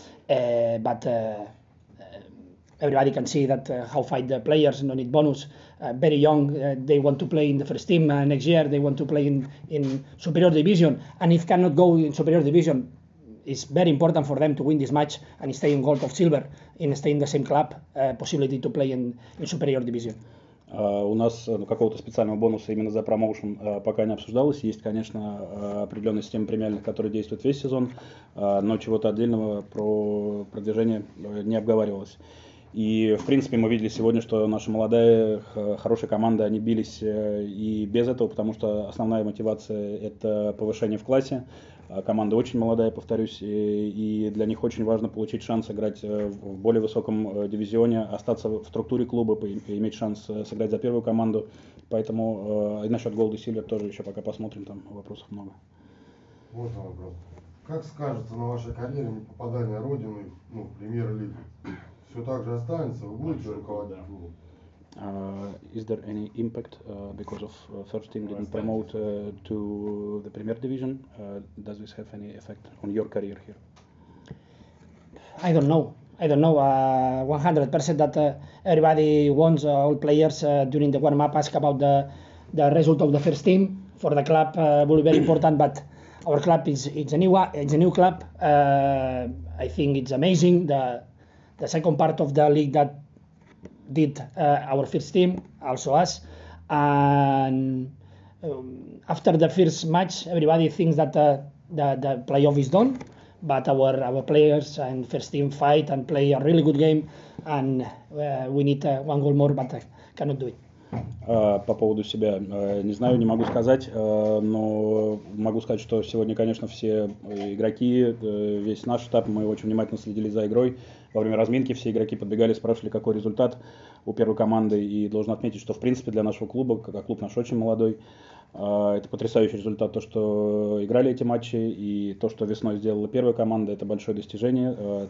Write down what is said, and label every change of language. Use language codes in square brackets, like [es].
[en] But everybody can see that how fight the players don't need bonus. Very young, they want to play in the first team next year. They want to play in superior division, and if cannot go in superior division, it's very important for them to win this match and stay in gold or silver and stay in the same club possibility to play in superior division. [ru] У нас какого-то специального бонуса именно за промоушен пока не обсуждалось. Есть, конечно, определенная система премиальных, которая действует весь сезон, но чего-то отдельного про продвижение не обговаривалось. И, в принципе, мы видели сегодня, что наша молодая, хорошая команда, они бились и без этого, потому что основная мотивация – это повышение в классе. Команда очень молодая, повторюсь, и для них очень важно получить шанс играть в более высоком дивизионе, остаться в структуре клуба, иметь шанс сыграть за первую команду. Поэтому и насчет Gold и Silver тоже еще пока посмотрим, там вопросов много. Вот вопрос. Как скажется на вашей карьере непопадание Родины, ну, премьер-лиги? Все так же останется, вы будете руководить клубом? [en] Is there any impact because of first team didn't promote to the Premier Division? Does this have any effect on your career here? I don't know. 100% that everybody wants all players during the warm-up ask about the result of the first team. For the club, will be very important, but our club is a new club. I think it's amazing the second part of the league that did our first team, also us, and after the first match, everybody thinks that the playoff is done, but our players and first team fight and play a really good game, and we need one goal more, but I cannot do it. [ru] По поводу себя, не знаю, не могу сказать, но могу сказать, что сегодня, конечно, все игроки, весь наш штаб, мы очень внимательно следили за игрой. Во время разминки все игроки подбегали, спрашивали, какой результат у первой команды. И должен отметить, что, в принципе, для нашего клуба, как клуб наш очень молодой, это потрясающий результат, то, что играли эти матчи, и то, что весной сделала первая команда, это большое достижение.